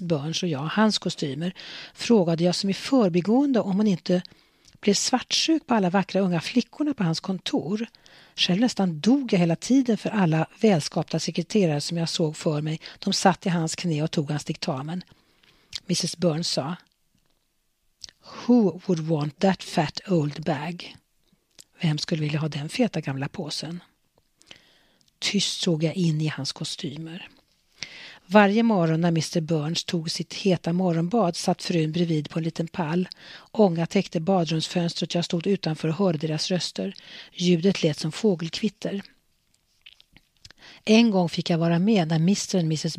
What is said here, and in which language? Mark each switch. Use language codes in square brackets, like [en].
[sv] Burns och jag, hans kostymer, frågade jag som i förbigående om hon inte blev svartsjuk på alla vackra unga flickorna på hans kontor. Själv nästan dog jag hela tiden för alla välskapta sekreterare som jag såg för mig. De satt i hans knä och tog hans diktamen. [en] Mrs. Burns sa: Who would want that fat old bag? [sv] Vem skulle vilja ha den feta gamla påsen? Tyst såg jag in i hans kostymer. Varje morgon när Mr. Burns tog sitt heta morgonbad satt frun bredvid på en liten pall. Ånga täckte badrumsfönstret. Jag stod utanför och hörde deras röster. Ljudet lät som fågelkvitter. En gång fick jag vara med när Mr. och Mrs.